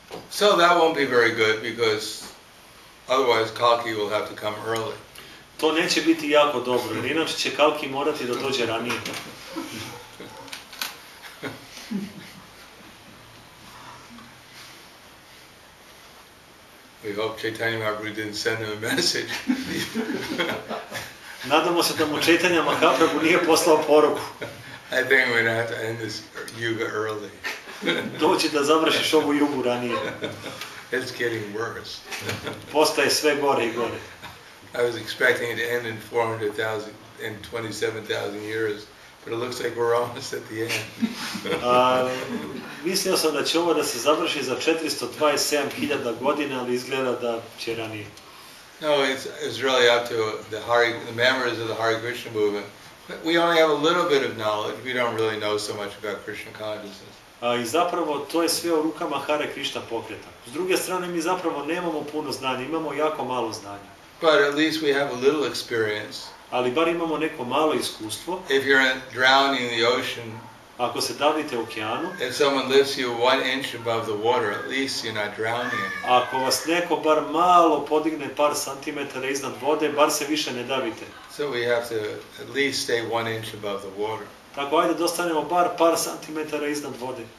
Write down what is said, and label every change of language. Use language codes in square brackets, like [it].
[en] So that won't be very good because otherwise Kalki will have to come early. [sr] To neće biti jako dobro, inače će Kalki morati da dođe ranije. [en] We hope Chaitanya Mahaprabhu didn't send him a message. [sr] Nadamo se da mu Chaitanya Mahaprabhu nije poslao poruku. [en] I think we're going to have to end this yuga early. [sr] Doći da završiš ovu jugu ranije. [en] It's getting worse. [sr] Postaje sve gore i gore. [en] I was expecting it to end in 400,000, in 27,000 years. But it looks like we're almost at the end. [sr] Mislio sam da će ovo da se završi za 427.000 godina, ali izgleda da će ranije. [en] No, it's really up to the members of the Hare Krishna movement. We only have a little bit of knowledge. We don't really know so much about Krishna consciousness. [sr] I zapravo to je sve u rukama Hare Krishna pokreta. S druge strane, mi zapravo nemamo puno znanja, imamo jako malo znanja. [en] But at least we have a little experience. [sr] Ali bar imamo neko malo iskustvo. [en] If you're drowning in the ocean, [sr] ako se davite u okeanu, [en] if someone lifts you one inch above the water, at least you're not drowning. [sr] Ako vas neko bar malo podigne par santimetara iznad vode, bar se više ne davite. [en] So we have to at least stay one inch above the water. [sr] Tako ajde da ostanemo bar par santimetara iznad vode.